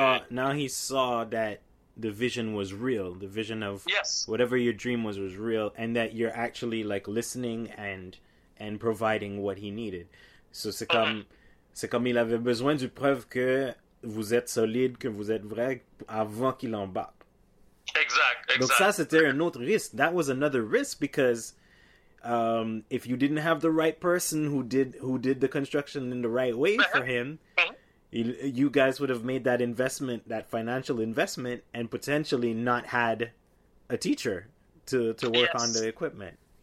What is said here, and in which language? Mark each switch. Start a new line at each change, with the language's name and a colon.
English: Now he saw that the vision was real, the vision of whatever your dream was real, and that you're actually like listening and providing what he needed.
French: So c'est comme il avait besoin du preuve que vous êtes solide, que vous êtes vrai avant qu'il embarque. Exact. Donc ça c'était un autre risque.
English: That was another risk because if you didn't have the right person who did the construction in the right way for him, you guys would have made that investment, that financial investment, and potentially not had a teacher to work on the equipment.